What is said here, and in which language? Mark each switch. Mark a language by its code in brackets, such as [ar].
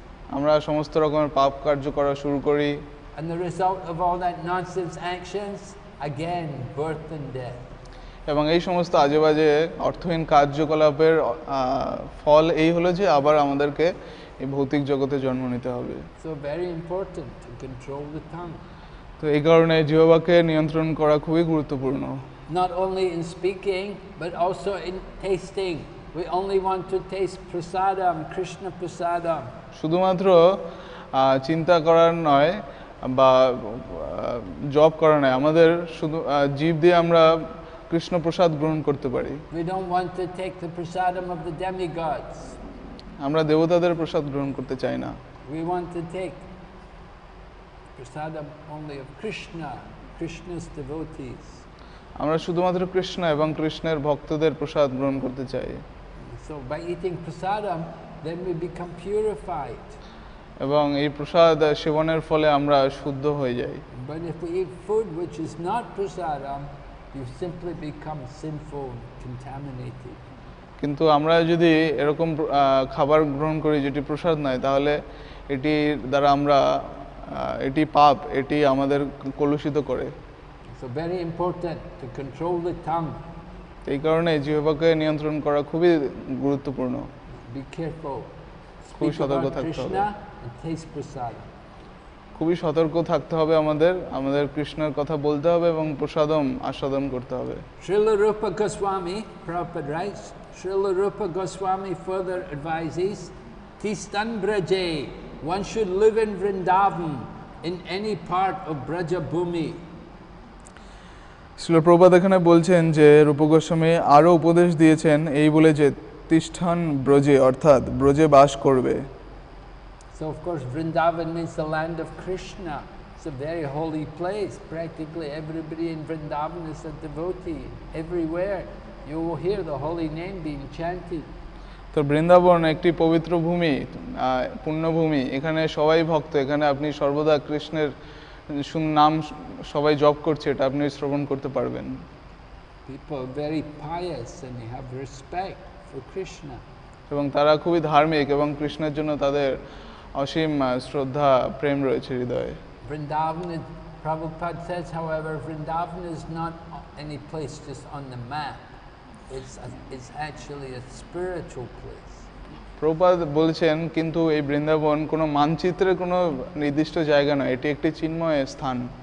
[bn] আমরা সমস্ত রকমের পাপ কার্য করা শুরু করি। [en] And the result of all that nonsense actions, again, birth and death. [bn] এবং এই সমস্ত আজে বাজে অর্থহীন কার্যকলাপের ফল এই হলো যে আবার আমাদেরকে এই ভৌতিক জগতে জন্ম নিতে হবে। [en] So very important to control the tongue. [bn] তো এই কারণে জিহ্বাকে নিয়ন্ত্রণ করা খুবই গুরুত্বপূর্ণ। [en] Not only in speaking but also in tasting. We only want to taste prasadam, Krishna prasadam. [bn] শুধুমাত্র চিন্তা করার নয় বা জপ করার নয়, আমাদের শুধু জীব দিয়ে আমরা কৃষ্ণ প্রসাদ গ্রহণ করতে পারি। [en] We don't want to take the prasadam of the demigods. [bn] আমরা দেবতাদের প্রসাদ গ্রহণ করতে চাই না। [en] We want to take prasadam only of Krishna, Krishna's devotees. [bn] আমরা শুধুমাত্র কৃষ্ণ এবং কৃষ্ণের ভক্তদের প্রসাদ গ্রহণ করতে চাই। [en] So by eating prasadam, then we become purified. [bn] এবং এই প্রসাদ সেবনের ফলে আমরা শুদ্ধ হয়ে যাই। [en] But if we eat food which is not prasadam, you simply become sinful, contaminated. [bn] কিন্তু আমরা যদি এরকম খাবার গ্রহণ করি যেটি প্রসাদ নয়, তাহলে এটির দ্বারা আমরা এটি পাপ, এটি আমাদের কলুষিত করে। [en] So very important to control the tongue. [bn] এই কারণে জিহ্বাকে নিয়ন্ত্রণ করা খুবই গুরুত্বপূর্ণ। [en] Be careful. [bn] খুব সতর্ক থাকতে হবে। [en] Krishna and taste prasadam. [bn] খুবই সতর্ক থাকতে হবে আমাদের আমাদের কৃষ্ণের কথা বলতে হবে এবং প্রসাদম আস্বাদন করতে হবে [en] Srila Rupa Goswami Prabhupada writes Srila Rupa Goswami further advises Tistan Braje one should live in Vrindavan in any part of Braja Bhumi [bn] Srila Prabhupada এখানে বলছেন যে Rupa Goswami আরো উপদেশ দিয়েছেন এই বলে যে Tistan Braje অর্থাৎ ব্রজে বাস করবে [en] So of course Vrindavan means the land of Krishna. It's a very holy place. Practically everybody in Vrindavan is a devotee. Everywhere you will hear the holy name being chanted. [bn] তো বৃন্দাবন একটি পবিত্র ভূমি, পুণ্য ভূমি। এখানে সবাই ভক্ত, এখানে আপনি সর্বদা কৃষ্ণের নাম সবাই জপ করছে, এটা আপনি শ্রবণ করতে পারবেন। [en] People are very pious and they have respect for Krishna. [bn] এবং তারা খুবই ধার্মিক এবং কৃষ্ণের জন্য তাদের অসীম শ্রদ্ধা প্রেম রয়েছে হৃদয়ে [en] Vrindavan is, Prabhupada says, however, Vrindavan is not any place just on the map. It's actually a spiritual place. [bn] Prabhupada বলছেন কিন্তু এই বৃন্দাবন কোনো মানচিত্রে কোনো নির্দিষ্ট জায়গা নয় এটি একটি চিন্ময় স্থান